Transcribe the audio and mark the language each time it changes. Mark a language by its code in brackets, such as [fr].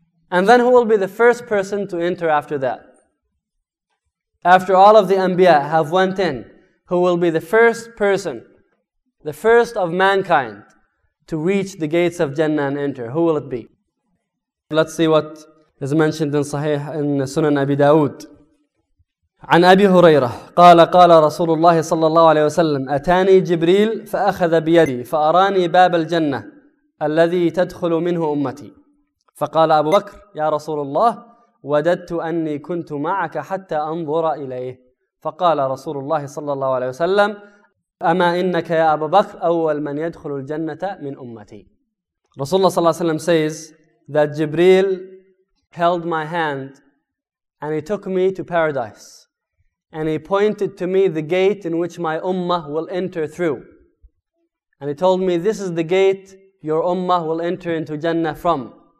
[en] And then who will be the first person to enter after that? After all of the Anbiya have went in, who will be the first person, the first of mankind, to reach the gates of Jannah and enter? Who will it be? Let's see what is mentioned in Sahih, in Sunan Abi Dawood. [ar] عن أبي هريرة قال قال رسول الله صلى الله عليه وسلم أتاني جبريل فأخذ بيدي فأراني باب الجنة الذي تدخل منه أمتي فقال أبو بكر يا رسول الله وددت أني كنت معك حتى أنظر إليه فقال رسول الله صلى الله عليه وسلم أما إنك يا أبا بكر أول من يدخل الجنة من أمتي. رسول الله صلى الله عليه وسلم [en] says that Jibreel held my hand and he took me to paradise and he pointed to me the gate in which my ummah will enter through. And he told me, this is the gate your ummah will enter into Jannah from.